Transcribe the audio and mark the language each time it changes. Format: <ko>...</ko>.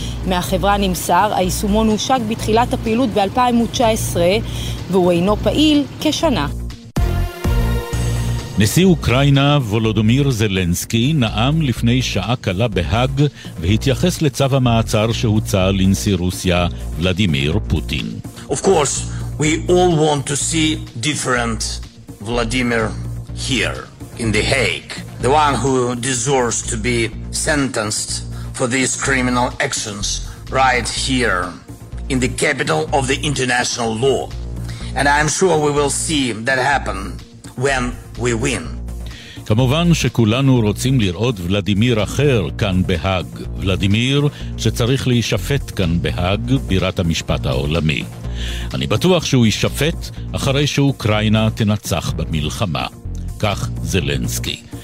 <he>מהחברה נמסר, היישומון הושק בתחילת הפעילות ב-2019 והוא אינו פעיל כשנה. נשיא אוקראינה וולודומיר זלנסקי נאם לפני שעה קלה בהג והתייחס לצו המעצר שהוצא לנשיא רוסיה ולדימיר פוטין.</he> <en>Of course, we all want to see different Vladimir here in the Hague, the one who deserves to be sentenced for these criminal actions right here in the capital of the international law. And I'm sure we will see that happen when we win.</en> <he>כמובן שכולנו רוצים לראות ולדימיר אחר כאן בהג, ולדימיר שצריך להישפט כאן בהג, בירת המשפט העולמי. אני בטוח שהוא יישפט אחרי שאוקראינה תנצח במלחמה, כך זלנסקי.</he>